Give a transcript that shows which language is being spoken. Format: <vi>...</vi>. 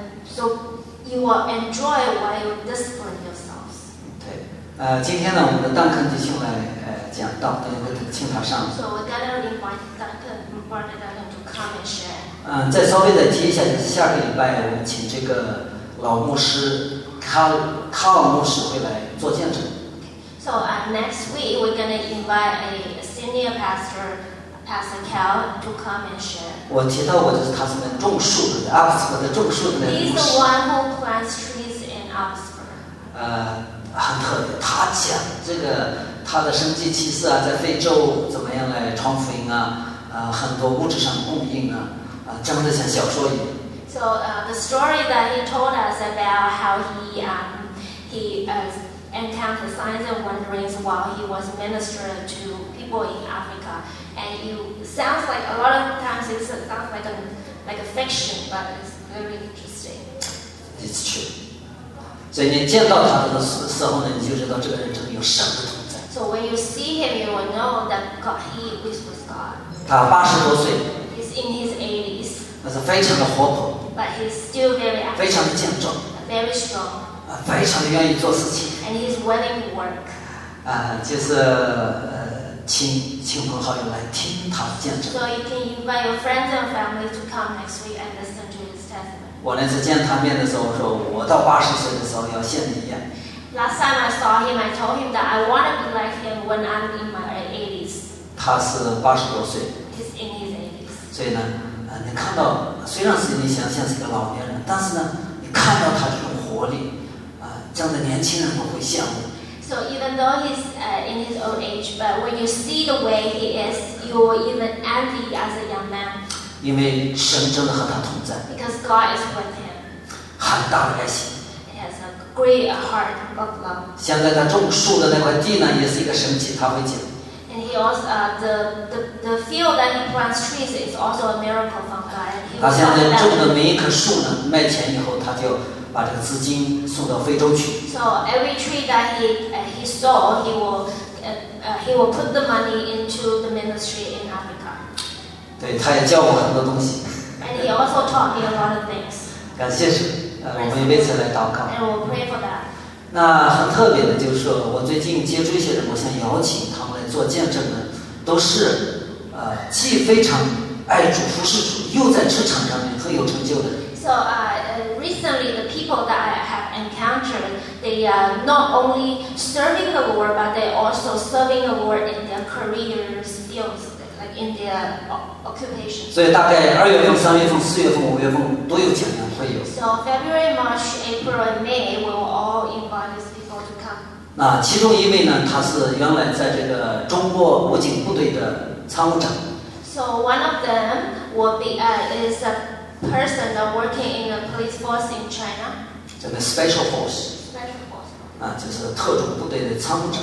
<en>So you will enjoy while you discipline yourselves.</en> <zh>对，今天呢，我们的邓肯弟兄来讲道，大家都请他上。</zh> <en>So we gotta invite Brother Duncan to come and share.</en> <zh>再稍微的提一下，就是下个礼拜我们请这个老牧师卡尔牧师会来做见证。</zh> <en>So next week we're gonna invite a senior pastor Cal to come and share.</en> <zh>我提到过就是他是那种树的 Oxford 的种树的那个牧师。</zh> <en>He's the one who plants trees in Oxford.</en> <zh>很特别，他讲这个他的生计起色啊，在非洲怎么样来传福音啊，很多物质上供应啊，真的像小说一样。</zh> <en>So the story that he told us about how he encountered signs and wonders while he was ministering to people in Africa. And it sounds like a lot of times it sounds like a fiction, but it's very interesting. It's true.</en> <zh>所以你见到他的时候呢，你就知道这个人真的有神的同在。</zh> <en>So when you see him, you will know that God, he is with God.</en> <zh>他八十多岁。</zh> <en>He's in his 80s.</en> <zh>但是非常的活泼。</zh> <en>But he's still very active.</en> <zh>非常的健壮。</zh> <en>Very strong.</en> <zh>非常的愿意做事情。</zh> <en>And he's willing to work.</en> <zh>就是。亲朋好友来听他的见证。</zh> <en>So you can invite your friends and family to come next week and listen to his testimony.</en> <zh>我那次见他面的时候，我说我到八十岁的时候要像你一样。</zh> <en>Last time I saw him, I told him that I want to be like him when I'm in my 80s.</en> <zh>他是八十多岁。</zh> <en>He's in his 80s.</en> <zh>所以呢，你看到虽然是你想像是一个老年人，但是呢，你看到他这种活力，这样的年轻人都会羡慕。</zh> <en>So even though he's in his old age, but when you see the way he is, you will even envy as a young man.</en> <zh>因为神真的和他同在。</zh> <en>Because God is with him.</en> <zh>很大的爱心。</zh> <en>He has a great heart of love.</en> <zh>现在他种树的那块地呢，也是一个神迹，他会讲。</zh> <en>And he also the field that he plants trees is also a miracle from God.</en> <zh>他现在种的每一棵树呢，卖钱以后他就。把这个资金送到非洲去。</zh> <en>So every tree that he sold, he will put the money into the ministry in Africa.</en> <zh>对，他也教我很多东西。</zh> <en>And he also taught me a lot of things.</en> <zh>感谢神，我们为此来祷告。</zh> <en>And we'll pray for that.</en> <zh>那很特别的就是，我最近接触一些人，我想邀请他们来做见证的，都是既非常爱主、服侍主，又在职场上面和很有成就的。</zh> <en>So, recently the people that I have encountered, they are not only serving the Lord, but they also serving the Lord in their careers, fields, like in their occupation.</en> <zh>所以大概二月份、三月份、四月份、五月份都有讲员会有。</zh> <en>So February, March, April, and May, we will all invite these people to come.</en> <zh>那其中一位呢，他是原来在这个中国武警部队的参谋长。</zh> <en>So one of them will be is a person that working in a police force in China.</en> <zh>这个</zh> <en>special force. Special force.</en> <zh>就是特种部队的参谋长。</zh>